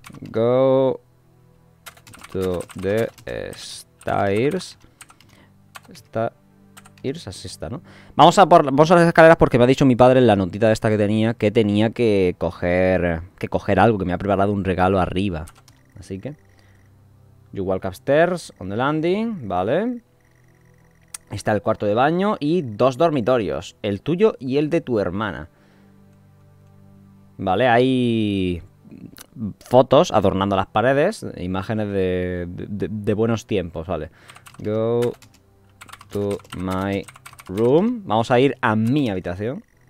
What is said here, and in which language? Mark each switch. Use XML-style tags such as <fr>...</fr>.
<en>Go to the stairs.</en> <es>Stairs, así está, ¿no? Vamos a las escaleras porque me ha dicho mi padre en la notita de esta que tenía que tenía que coger algo, que me ha preparado un regalo arriba. Así que.</es> <en>You walk upstairs on the landing, vale.</en> <es>Está el cuarto de baño y dos dormitorios, el tuyo y el de tu hermana. Vale, hay fotos adornando las paredes, imágenes de buenos tiempos, vale.</es> <en>Go to my room,</en> <es>vamos a ir a mi habitación.</es>